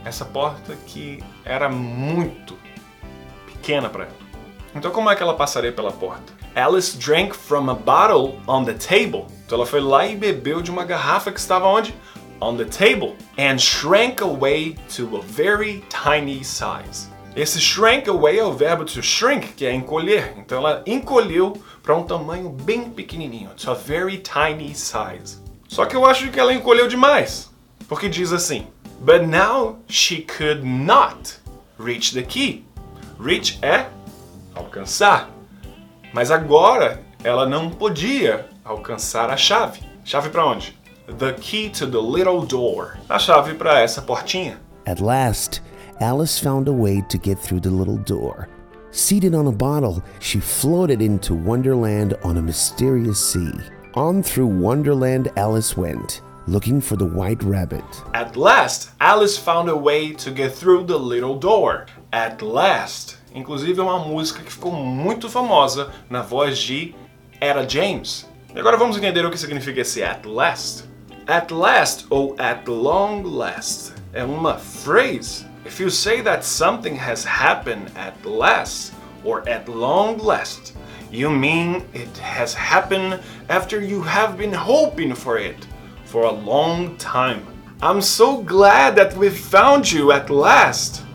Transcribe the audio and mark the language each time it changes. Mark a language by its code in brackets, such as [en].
[pt] Essa porta que era muito pequena para ela. Então como é que ela passaria pela porta? [en] Alice drank from a bottle on the table. [pt] Então ela foi lá e bebeu de uma garrafa que estava onde? [en] On the table. And shrank away to a very tiny size. [pt] Esse shrank away é o verbo to shrink, que é encolher. Então ela encolheu para um tamanho bem pequenininho. [en] To a very tiny size. [pt] Só que eu acho que ela encolheu demais. Porque diz assim. [en] But now she could not reach the key. [pt] Reach é alcançar. Mas agora ela não podia alcançar a chave. Chave para onde? [en] The key to the little door. [pt] A chave para essa portinha. [en] At last, Alice found a way to get through the little door. Seated on a bottle, she floated into Wonderland on a mysterious sea. On through Wonderland Alice went, looking for the white rabbit. At last, Alice found a way to get through the little door. At last. [pt] Inclusive, é uma música que ficou muito famosa na voz de Etta James. E agora vamos entender o que significa esse at last. At last, ou at long last, é uma phrase. [en] If you say that something has happened at last, or at long last, you mean it has happened after you have been hoping for it for a long time. I'm so glad that we found you at last.